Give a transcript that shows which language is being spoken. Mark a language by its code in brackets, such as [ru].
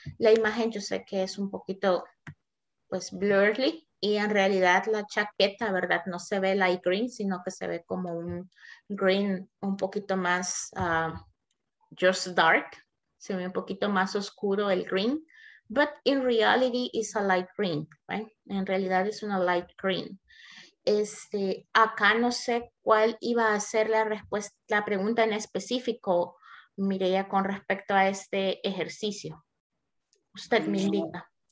[es] La imagen yo sé que es un poquito, pues, blurry. Y en realidad la chaqueta, ¿verdad? No se ve light green, sino que se ve como un green un poquito más just dark. Se ve un poquito más oscuro el green. [en] But in reality it's a light green, right? [es] En realidad es una light green. Este, acá no sé cuál iba a ser la respuesta, la pregunta en específico, Mireya, con respecto a este ejercicio. Usted me indica.